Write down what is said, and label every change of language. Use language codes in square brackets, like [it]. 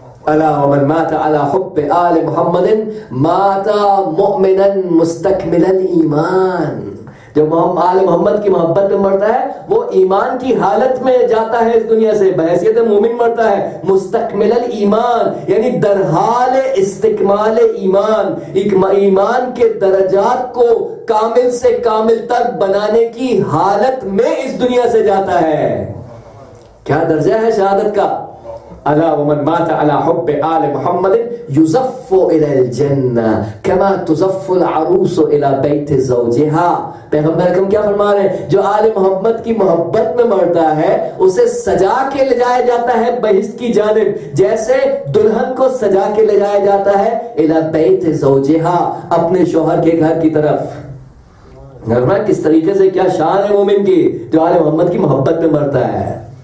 [ar] الا ومن مات على حب آل محمد مات مؤمنا مستكملا ایمان, [ur] جو آل محمد کی محبت میں مرتا ہے وہ ایمان کی حالت میں جاتا ہے اس دنیا سے, بحیثیت مومن مرتا ہے. مستکمل ایمان یعنی درحال استکمال ایمان, ایمان کے درجات کو کامل سے کامل تر بنانے کی حالت میں اس دنیا سے جاتا ہے. کیا درجہ ہے شہادت کا؟ [ar] ألا ومن مات على حب آل محمد يزف إلى الجنة كما تزف العروس إلى بيت زوجها. [ur] پیغمبر کیا فرما رہے ہیں, جو آل محمد کی محبت میں مرتا ہے اسے سجا کے لے جایا جاتا ہے بہشت کی جانب, جیسے دلہن کو سجا کے لے جایا جاتا ہے [ar] الی بیت زوجہا [ur] اپنے شوہر کے گھر کی طرف. کس طریقے سے کیا شان ہے مومن کی جو آل محمد کی محبت میں مرتا ہے.